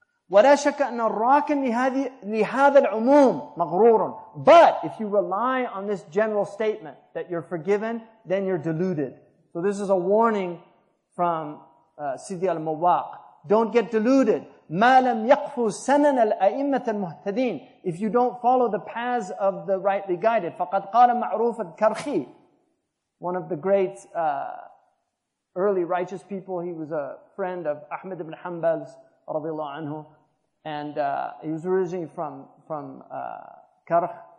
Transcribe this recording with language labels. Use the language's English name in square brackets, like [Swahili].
[Arabic] ولا شك أن الراكن لهذا العموم مغرور. [English] But if you rely on this general statement that you're forgiven, then you're deluded. So this is a warning from Sidi al-Muwaq. Don't get deluded. [Arabic] ما لم يقفوا سنن الأئمة المهتدين. [English] If you don't follow the paths of the rightly guided. [Arabic] فقد قال معروف الكرخي, [English] one of the great early righteous people. He was a friend of Ahmed ibn Hanbal's [Arabic] رضي الله عنه. [English] And he was originally from Karh.